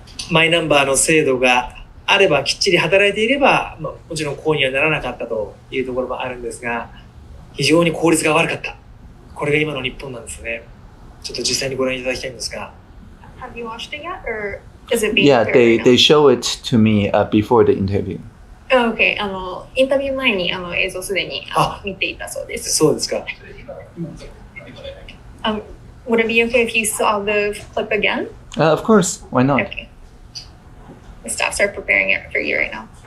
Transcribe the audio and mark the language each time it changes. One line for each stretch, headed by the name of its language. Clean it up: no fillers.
Japanese: マイナンバーの制度があればきっちり働いていれば、まあ、もちろん行為にはならなかったというところもあるんですが、非常に効率が悪かった。これが今の日本なんですね。ちょっと実際にご覧いただきたいんですが、
English: Have you watched it yet or is it being Yeah, they show it to me before the interview.
Japanese: Okay, インタビュー前に映像すでに見ていたそうです。そうですか。
English: Would it be okay if you saw the clip again? Of course, why not? Okay. The staffs are preparing it for you right now.